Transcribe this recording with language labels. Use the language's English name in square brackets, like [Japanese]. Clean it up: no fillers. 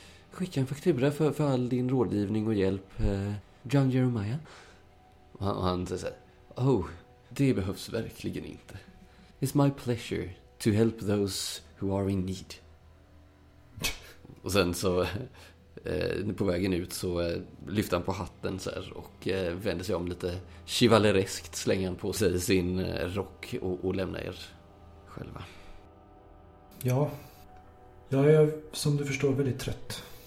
[Swedish] Skicka en faktura för all din rådgivning och hjälp, John Jeremiah. Och han säger, oh, det behövs verkligen inte. [English] It's my pleasure to help those who are in need. [Swedish] Och sen så, på vägen ut så lyfter han på hatten så här och vänder sig om lite chivalereskt, slänger han på sig sin rock och lämnar er själva. Ja, jag är som du förstår väldigt trött.